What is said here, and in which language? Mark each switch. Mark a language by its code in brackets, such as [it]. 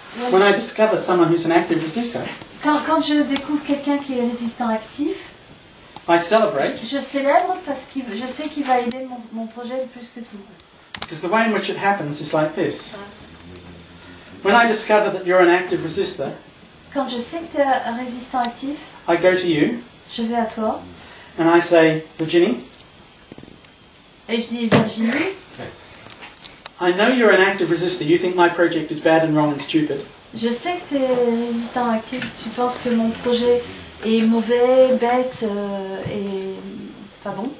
[en] when I discover someone who's an active resistor, [fr] quand je découvre quelqu'un qui est résistant actif, [en] I celebrate. [fr] Je célèbre parce que je sais qu'il va aider mon projet plus que tout. [en] Because the way in which it happens is like this. When I discover that you're an active resistor, [fr] quand je sais que tu es un résistant actif, [en] I go to you. [fr] Je vais à toi. [en] And I say, Virginie. [fr] Et je dis Virginie. [en] I know you're an active resistor. You think my project is bad and wrong and stupid. [fr] Je sais que tu es résistant actif. Tu penses que mon projet est mauvais, bête et pas bon.